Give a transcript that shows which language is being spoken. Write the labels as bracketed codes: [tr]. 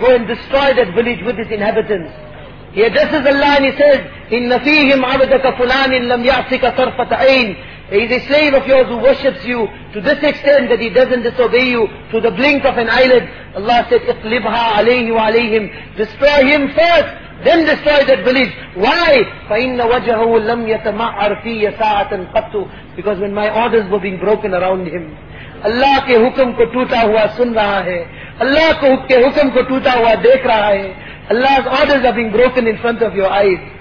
[en] Go and destroy that village with its inhabitants. He addresses Allah and he says, [ar] إِنَّ فِيهِمْ عَبَدَكَ فُلَانٍ لَمْ يَعْصِكَ طَرْفَةَ عَيْنٍ. [en] He is a slave of yours who worships you to this extent that he doesn't disobey you to the blink of an eyelid. Allah said, [ar] اِقْلِبْهَا عَلَيْهِ وَعَلَيْهِمْ. [en] Destroy him first, then destroy that village. Why? [ar] فَإِنَّ وَجَهَهُ لَمْ يَتَمَعَّرْ فِيهِ سَاعَةً قَطُّ. [en] Because when my orders were being broken around him, [ur] Allah ke hukum ko toota hua sun raha hai, [en] Allah ke hukum ko toota hua dekh raha hai, Allah's orders are being broken in front of your eyes.